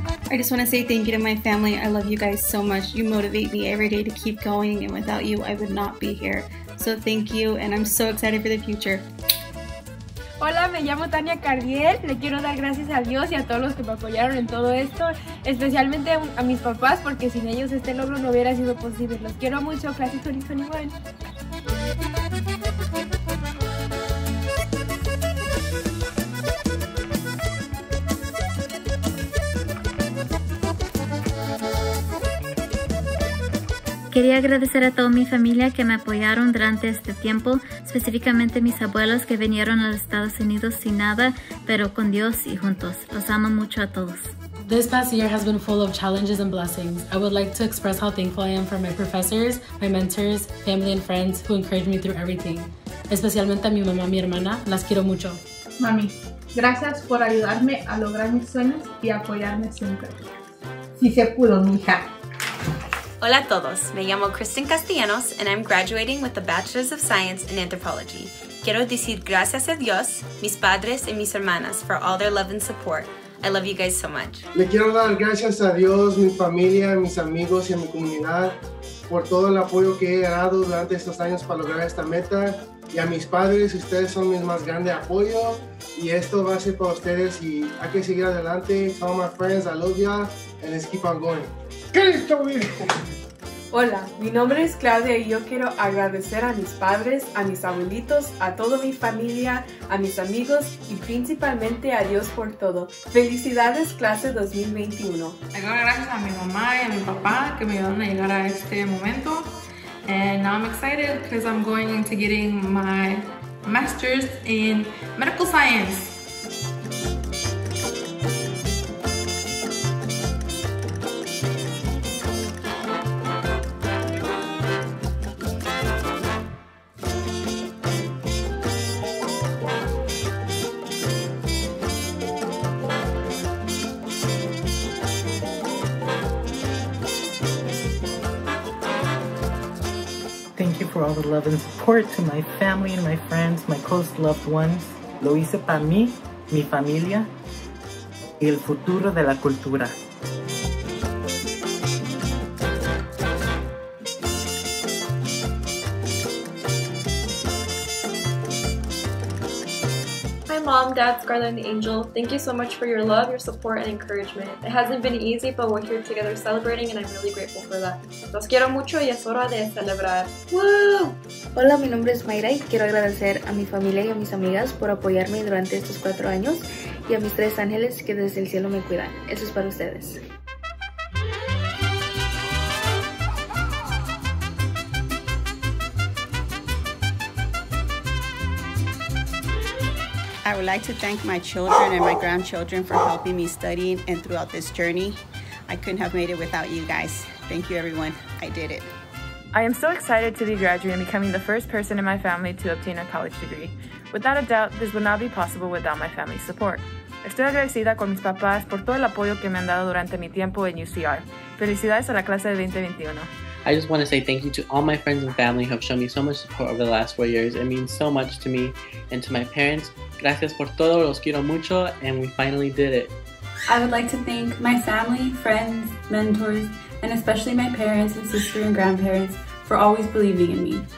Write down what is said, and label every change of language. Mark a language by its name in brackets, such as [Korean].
[English] I just want to say thank you to my family. I love you guys so much. You motivate me every day to keep going, and without you, I would not be here. So thank you, and I'm so excited for the future. [Spanish] Hola, me llamo Tania Cardiel. Le quiero dar gracias a Dios y a todos los que me apoyaron en todo esto, especialmente a mis papás, porque sin ellos este logro no hubiera sido posible. Los quiero mucho. Clase 2021. Quería agradecer a toda mi familia que me apoyaron durante este tiempo, específicamente mis abuelos que vinieron a los Estados Unidos sin nada, pero con Dios y juntos. Los amo mucho a todos. [English] This past year has been full of challenges and blessings. I would like to express how thankful I am for my professors, my mentors, family and friends who encouraged me through everything. [Spanish] Especialmente a mi mamá, mi hermana. Las quiero mucho. Mami, gracias por ayudarme a lograr mis sueños y apoyarme siempre. Si se pudo, mija. Hola a todos, me llamo [English] Kristen Castellanos and I'm graduating with a Bachelor's of Science in Anthropology. [Spanish] Quiero decir gracias a Dios, mis padres y mis hermanas [English] for all their love and support. I love you guys so much. [Spanish] Le quiero dar gracias a Dios, mi familia, mis amigos y a mi comunidad por todo el apoyo que he dado durante estos años para lograr esta meta. Y a mis padres, ustedes son mi más grande apoyo y esto va a ser para ustedes y hay que seguir adelante. [English] To all my friends, I love you and let's keep on going. [Spanish] ¡Cristo Virgen! Hola, mi nombre es Claudia y yo quiero agradecer a mis padres, a mis abuelitos, a toda mi familia, a mis amigos y principalmente a Dios por todo. ¡Felicidades, clase 2021! Tengo gracias a mi mamá y a mi papá que me ayudaron a llegar a este momento. [English] And now I'm excited because I'm going into getting my master's in medical science. All the love and support to my family and my friends, my close loved ones. [Spanish] Lo hice para mí, mi familia, y el futuro de la cultura. [English] Hi, mom. mom, dad, Scarlett, and Angel, thank you so much for your love, your support, and encouragement. It hasn't been easy, but we're here together celebrating, and I'm really grateful for that. [Spanish] Los quiero mucho y es hora de celebrar. Woo! Hola, mi nombre es Mayra y quiero agradecer a mi familia y a mis amigas por apoyarme durante estos 4 años y a mis 3 ángeles que desde el cielo me cuidan. Eso es para ustedes. [English] I would like to thank my children and my grandchildren for helping me study and throughout this journey. I couldn't have made it without you guys. Thank you, everyone. I did it. I am so excited to be graduating and becoming the first person in my family to obtain a college degree. Without a doubt, this would not be possible without my family's support. [Spanish] Estoy agradecida con mis papás por todo el apoyo que me han dado durante mi tiempo en UCR. Felicidades a la clase de 2021. [English] I just want to say thank you to all my friends and family who have shown me so much support over the last 4 years. It means so much to me and to my parents. [Spanish] Gracias por todo, los quiero mucho, [English] and we finally did it. I would like to thank my family, friends, mentors, and especially my parents and sister and grandparents for always believing in me.